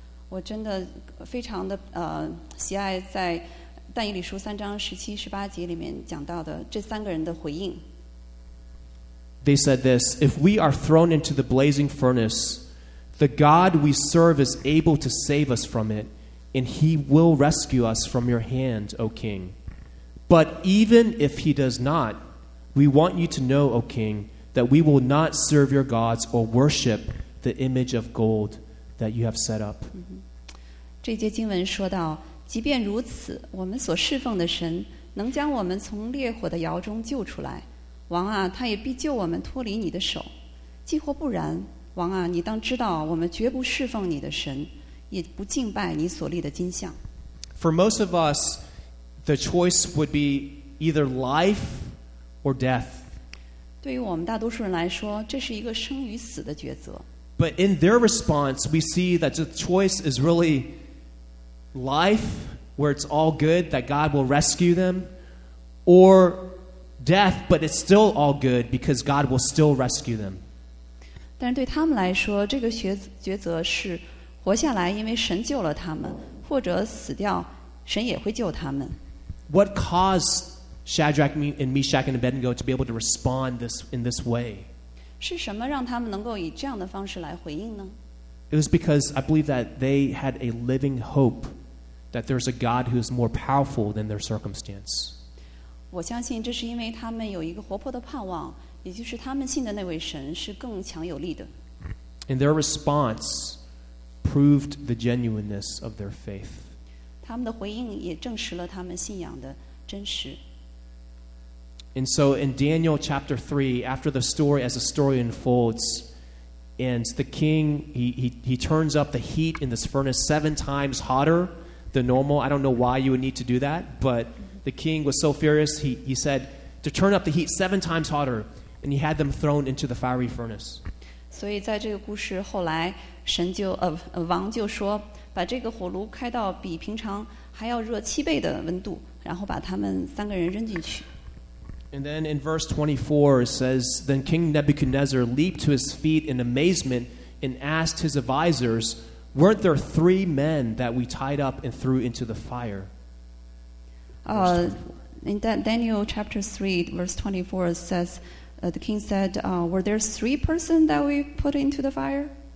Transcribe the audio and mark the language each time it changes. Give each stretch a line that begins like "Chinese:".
Chinese: 我真的非常的喜爱在但以理书三章十七、十八节里面讲到的这三个人的回应。
English: they said this, if we are thrown into the blazing furnace, the God we serve is able to save us from it, and he will rescue us from your hand, O King. But even if he does not, we want you to know, O King, that we will not serve your gods or worship the image of gold that you have set up.
Chinese: 这节经文说到，即便如此，我们所侍奉的神能将我们从烈火的窑中救出来。王啊，他也必救我们脱离你的手。既或不然，王啊，你当知道，我们绝不侍奉你的神，也不敬拜你所立的金像。
English: For most of us, the choice would be either life or death.
Chinese: 对于我们大多数人来说，这是一个生与死的抉择。
English: But in their response, we see that the choice is really life, where it's all good, that God will rescue them, or death, but it's still all good because God will still rescue them.
Chinese: 但是对他们来说，这个抉择是活下来，因为神救了他们，或者死掉，神也会救他们。
English: What caused Shadrach and Meshach and Abednego to be able to respond in this way?
Chinese: 是什么让他们能够以这样的方式来回应呢？
English: It was because I believe that they had a living hope that there's a God who is more powerful than their circumstance.
Chinese: 我相信这是因为他们有一个活泼的盼望，也就是他们信的那位神是更强有力的。
English: And their response proved the genuineness of their faith.
Chinese: 他们的回应也证实了他们信仰的真实。
English: And so in Daniel chapter 3, after the story as the story unfolds,And the king, he turns up the heat in this furnace 7 times hotter than normal. I don't know why you would need to do that, but the king was so furious, he said to turn up the heat 7 times hotter, and he had them thrown into the fiery furnace.
Chinese: 所以在这个故事后来，神就王就说，把这个火炉开到比平常还要热7倍的温度，然后把他们三个人扔进去。
English: And then in verse 24, it says, Then King Nebuchadnezzar leaped to his feet in amazement and asked his advisors, Weren't there 3 men that we tied up and threw into the fire? In Daniel chapter 3, verse 24, it says, the king said, Were there 3 persons that we put into the fire?